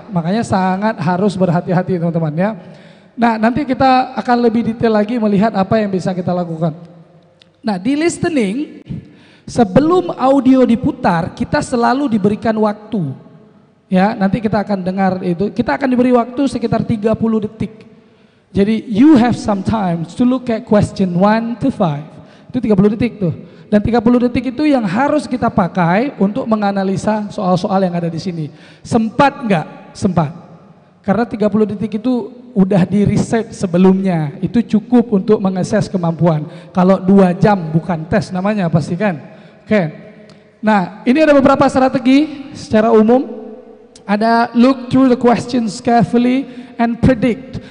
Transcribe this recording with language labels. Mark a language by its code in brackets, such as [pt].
[id] Makanya sangat harus berhati-hati teman-teman ya. Nah, nanti kita akan lebih detail lagi melihat apa yang bisa kita lakukan. Nah, di listening, sebelum audio diputar, kita selalu diberikan waktu. Ya, nanti kita akan dengar itu. Kita akan diberi waktu sekitar 30 detik. Jadi, [en] you have some time to look at question 1 to 5. [id] Itu 30 detik tuh. Dan 30 detik itu yang harus kita pakai untuk menganalisa soal-soal yang ada di sini. Sempat enggak? Sempat. Karena 30 detik itu udah di riset sebelumnya, itu cukup untuk mengakses kemampuan. Kalau 2 jam bukan tes namanya pasti kan. Oke. Nah, ini ada beberapa strategi secara umum. Ada [en] look through the questions carefully and predict.